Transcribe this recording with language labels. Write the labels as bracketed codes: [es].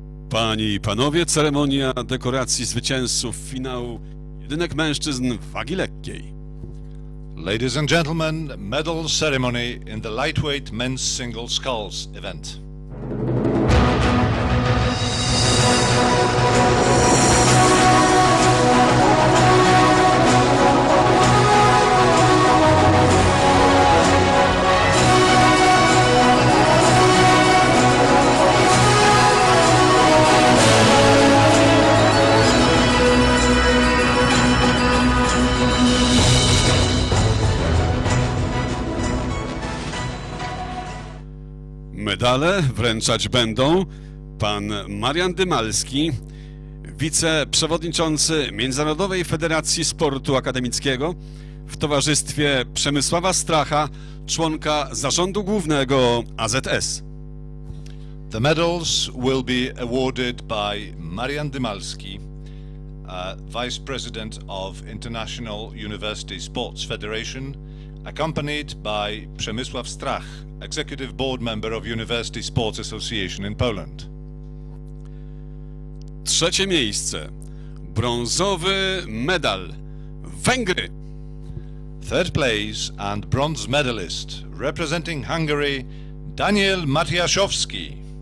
[pl] Panie i panowie, ceremonia dekoracji zwycięzców finału jedynek mężczyzn wagi lekkiej. [en] Ladies and gentlemen, medal ceremony in the lightweight men's single sculls event. [pl] Medale wręczać będą pan Marian Dymalski, wiceprzewodniczący Międzynarodowej Federacji Sportu Akademickiego, w towarzystwie Przemysława Stracha, członka zarządu głównego AZS. [en] The medals will be awarded by Marian Dymalski, vice president of International University Sports Federation, accompanied by Przemysław Strach, executive board member of University Sports Association in Poland. [pl] Trzecie miejsce, brązowy medal, Węgry. [en] Third place and bronze medalist, representing Hungary, Daniel Matyaszowski.